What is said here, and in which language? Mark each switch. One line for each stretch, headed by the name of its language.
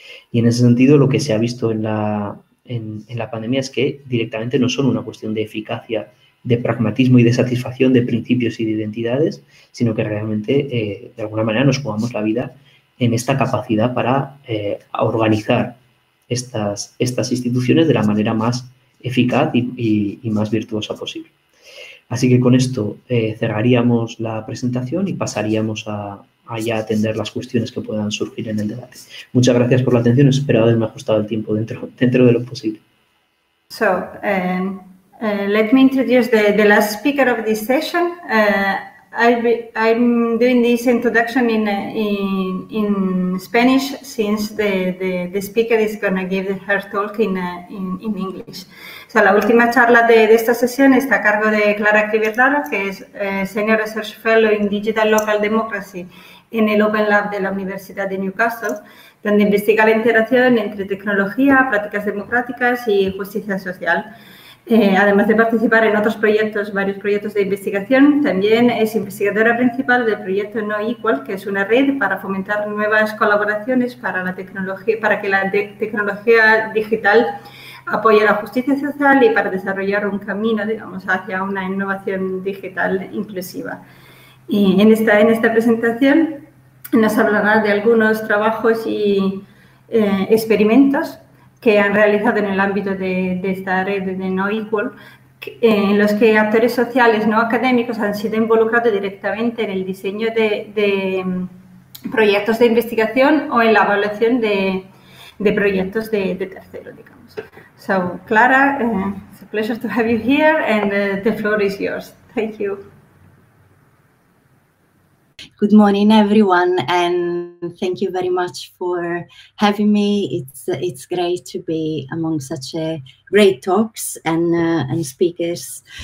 Spanish: Y en ese sentido, lo que se ha visto en la pandemia es que directamente no son una cuestión de eficacia, de pragmatismo y de satisfacción de principios y de identidades, sino que realmente, de alguna manera, nos jugamos la vida en esta capacidad para organizar estas instituciones de la manera más eficaz y más virtuosa posible. Así que con esto cerraríamos la presentación y pasaríamos a ya atender las cuestiones que puedan surgir en el debate. Muchas gracias por la atención. Espero haberme ajustado el tiempo dentro de lo posible.
English: So, let me introduce the last speaker of this session. I'm doing this introduction in Spanish, since the speaker is going to give her talk in English.
Spanish: So, la última charla de esta sesión está a cargo de Clara Cribertaro, que es
English: Senior Research Fellow in Digital Local Democracy
Spanish: en el Open Lab de la Universidad de Newcastle, donde investiga la interacción entre tecnología, prácticas democráticas y justicia social. Además de participar en otros proyectos, varios proyectos de investigación, también es investigadora principal del proyecto No Equal, que es una red para fomentar nuevas colaboraciones para la tecnología, para que la tecnología digital apoye la justicia social y para desarrollar un camino, digamos, hacia una innovación digital inclusiva. Y en esta presentación nos hablará de algunos trabajos y experimentos que han realizado en el ámbito de esta red de No Equal, en los que actores sociales no académicos han sido involucrados directamente en el diseño de proyectos de investigación o en la evaluación de proyectos de tercero, digamos.
English: So, Clara, it's a pleasure to have you here and the floor is yours. Thank you. Good morning, everyone, and thank you very much for having me. It's great to be among such a great talks and speakers.